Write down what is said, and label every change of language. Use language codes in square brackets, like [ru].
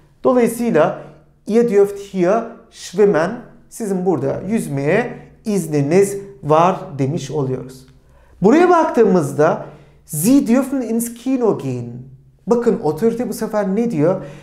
[tr] Dolayısıyla [de] ihr dürft hier schwimmen. [tr] Sizin burada yüzmeye izniniz var demiş oluyoruz. Buraya baktığımızda [de] sie dürfen ins Kino gehen. [tr] Bakın otorite bu sefer ne diyor?